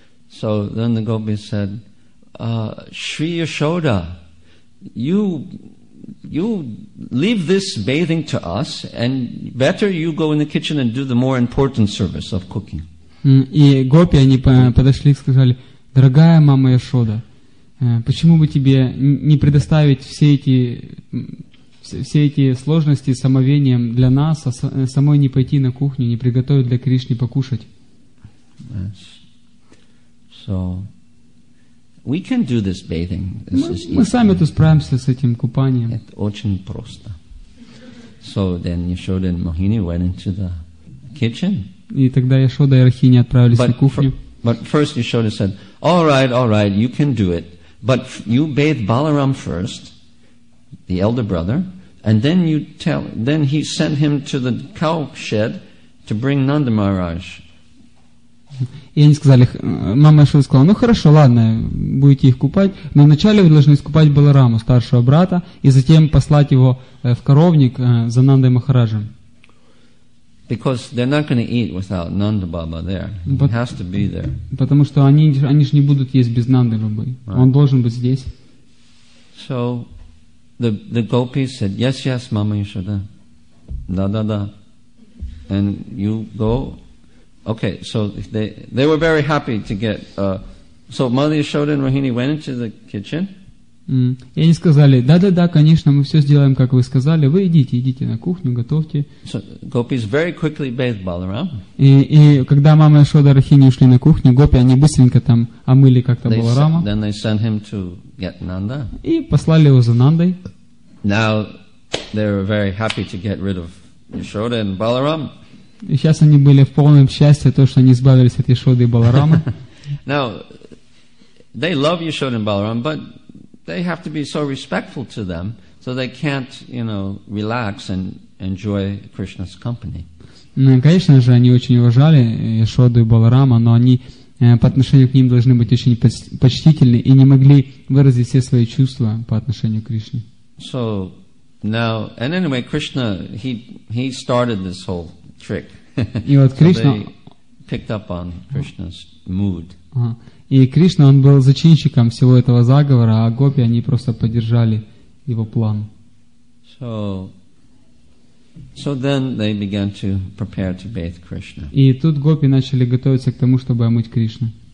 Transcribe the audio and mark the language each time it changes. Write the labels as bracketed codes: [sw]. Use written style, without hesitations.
[en] So then the gopis said, "Shri Yashoda, you leave this bathing to us, and better you go in the kitchen and do the more important service of cooking." [ru] И гопи они подошли и сказали: "Дорогая мама Яшода, почему бы тебе не предоставить все эти сложности с омовением для нас, а самой не пойти на кухню, не приготовить для Кришны покушать?" [en] Yes. So we can do this bathing. [ru] Мы сами тут справимся с этим купанием. Это очень просто. [en] So then Yashoda and Mohini went into the kitchen. [ru] И тогда Яшода и Рахини отправились на кухню. [en] But first Yashoda said, all right, you can do it. But you bathe Balaram first, the elder brother, and then you tell, then he sent him to the cow shed to bring Nanda Maharaj." [ru] И они сказали, мама Яшода сказала, ну хорошо, ладно, будете их купать, но вначале вы должны искупать Баларама, старшего брата, и затем послать его в коровник за Нандой Махараджем. [en] Because they're not going to eat without Nanda Baba there. He has to be there. [ru] Потому что они же не будут есть без Нанды Бабы. Right. Он должен быть здесь. [en] So the gopis said, yes, Mama Yashoda. Да. And you go. Okay, so they were very happy to get. So Mother Yashoda and Rohini went into the kitchen. [ru] И они сказали, да, конечно, мы все сделаем, как вы сказали. Вы идите на кухню, готовьте. [en] So, gopis very quickly bathed Balaram. [ru] И когда мама Яшода и Рахини ушли на кухню, гопи, они быстренько там омыли как-то Баларама. [en] Then they sent him to get Nanda. [ru] И послали его за Нандой. [en] Now they were very happy to get rid of Yashoda and Balaram. [ru] И сейчас они были в полном счастье, то, что они избавились от Яшоды и Баларама. [en] Now, they love Yashoda and Balaram, but they have to be so respectful to them, so they can't, you know, relax and enjoy Krishna's company. [ru] Конечно же, они очень уважали Яшоду и Баларама, но они по отношению к ним должны быть очень почтительны и не могли выразить все свои чувства по отношению к Кришне. [en] So now, and anyway, Krishna he started this whole trick. [ru] И вот Кришна [en] picked up on Krishna's mood. [ru] И Кришна, он был зачинщиком всего этого заговора, а гопи, они просто поддержали его план. [en] So then they began to prepare to bathe Krishna. [ru] И тут гопи начали готовиться к тому, чтобы омыть Кришну.